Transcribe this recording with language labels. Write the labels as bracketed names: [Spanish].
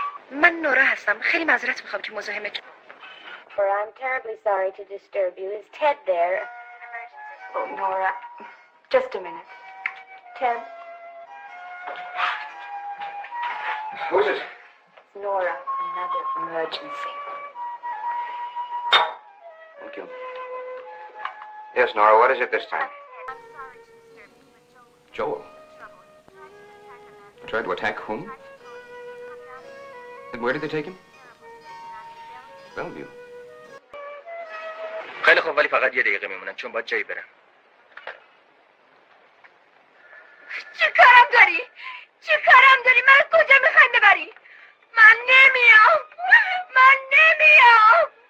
[Persian] من نورا هستم. خیلی معذرت میخوام که مزاحمت شدم. [English] For I'm terribly sorry to disturb you. Is Ted there? Oh, Nora. Just a minute. Ted. Who's it? Nora. Another emergency. Thank you. Yes, Nora. What is it this time? Joel. Tried to attack whom? And where did they take him? Bellevue. [Persian] خیلی خوب، ولی فقط یه دقیقه میمونم چون باید جایی برم. چی کارم داری؟ چی کارم داری؟ من کجا میخوایم ببری؟ من نمیام، من نمیام.